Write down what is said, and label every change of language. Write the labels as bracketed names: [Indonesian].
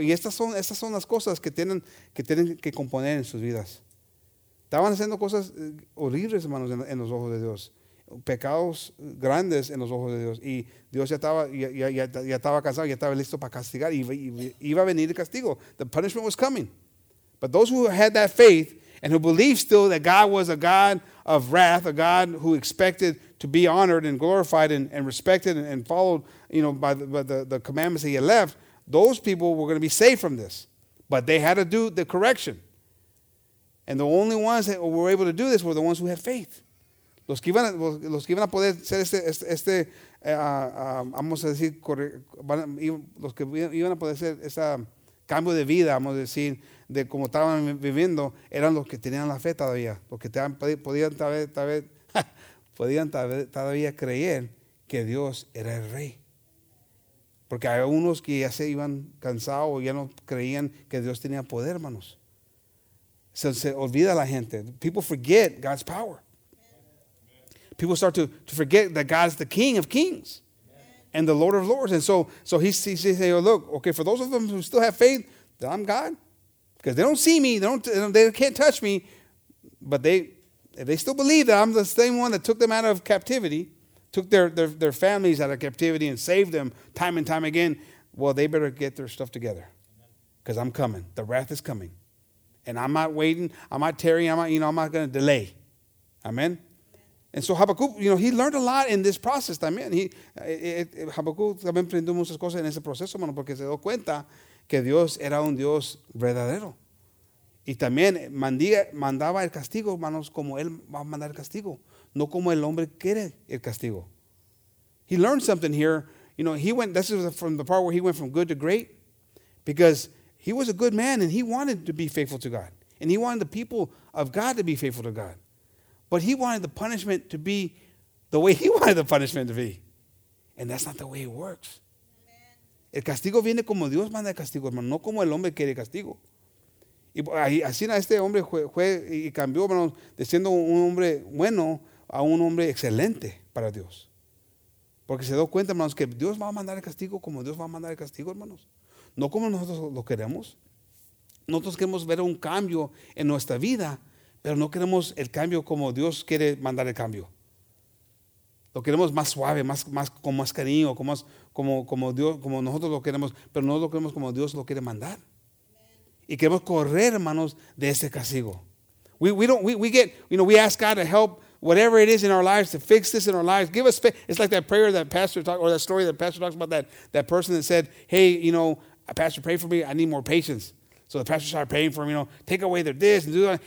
[Spanish] Y estas son las cosas que tienen que componer en sus vidas. Estaban haciendo cosas horribles, hermanos, en los ojos de Dios. Pecados grandes en los ojos de Dios, y Dios ya estaba cansado, ya estaba listo para castigar, iba a venir el castigo. [English] The punishment was coming. But those who had that faith and who believed still that God was a God of wrath, a God who expected to be honored and glorified and respected and followed, you know, by the commandments that he had left, those people were going to be saved from this. But they had to do the correction. And the only ones that were able to do this were the ones who had faith. [Spanish] Los que iban a poder hacer los que iban a poder hacer ese cambio de vida, vamos a decir, de cómo estaban viviendo, eran los que tenían la fe todavía, los que podían todavía creer que Dios era el rey. Porque hay unos que ya se iban cansados, ya no creían que Dios tenía poder, hermanos. Se olvida la gente. [English] People forget God's power. People start to forget that God is the King of Kings and the Lord of Lords. And so he says, oh, look, okay, for those of them who still have faith, that I'm God, because they don't see me. They can't touch me. But they still believe that I'm the same one that took them out of captivity, took their families out of captivity and saved them time and time again. Well, they better get their stuff together, because I'm coming. The wrath is coming. And I'm not waiting. I'm not tarrying. I'm not going to delay. Amen. And so Habakkuk, you know, he learned a lot in this process. [Spanish] También Habakkuk también aprendió muchas cosas en ese proceso, mano, porque se dio cuenta que Dios era un Dios verdadero. Y también mandaba el castigo, hermanos, como él va a mandar el castigo, no como el hombre quiere el castigo. [English] He learned something here. You know, this is from the part where he went from good to great, because he was a good man and he wanted to be faithful to God. And he wanted the people of God to be faithful to God. But he wanted the punishment to be the way he wanted the punishment to be. And that's not the way it works. Amen. [Spanish] El castigo viene como Dios manda el castigo, hermano, no como el hombre quiere el castigo. Y así este hombre fue y cambió, hermano, de siendo un hombre bueno a un hombre excelente para Dios. Porque se dio cuenta, hermanos, que Dios va a mandar el castigo como Dios va a mandar el castigo, hermanos. No como nosotros lo queremos. Nosotros queremos ver un cambio en nuestra vida, pero no queremos el cambio como Dios quiere mandar el cambio. Lo queremos más suave, más con más cariño, como nosotros lo queremos, pero no lo queremos como Dios lo quiere mandar. Y queremos correr, hermanos, de ese castigo. [English] We ask God to help whatever it is in our lives, to fix this in our lives. Give us faith. It's like that prayer that pastor talked, or that story that pastor talks about, that person that said, hey, you know, pastor, pray for me. I need more patience. So the pastor started praying for him, you know, take away their this and do that.